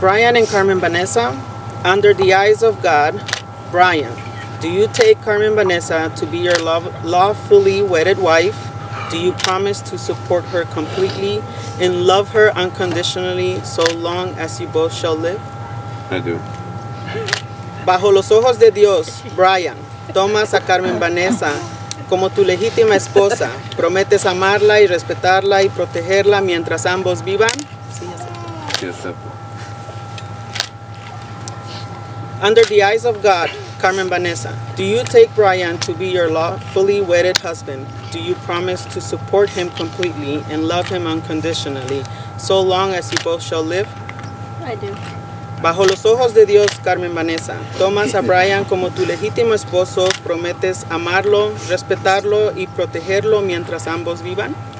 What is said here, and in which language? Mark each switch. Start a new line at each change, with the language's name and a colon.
English: Bryan and Carmen Vanessa, under the eyes of God, Bryan, do you take Carmen Vanessa to be your lawfully wedded wife? Do you promise to support her completely and love her unconditionally so long as you both shall live? I do.
Spanish: Bajo los ojos de Dios, Bryan, tomas a Carmen Vanessa como tu legítima esposa. ¿Prometes amarla y respetarla y protegerla mientras ambos vivan? Sí, acepto. Sí, acepto.
English: Under the eyes of God, Carmen Vanessa, do you take Bryan to be your lawfully wedded husband? Do you promise to support him completely and love him unconditionally so long as you both shall live? I do.
Spanish: Bajo los ojos de Dios, Carmen Vanessa, tomas a Bryan como tu legítimo esposo, prometes amarlo, respetarlo y protegerlo mientras ambos vivan?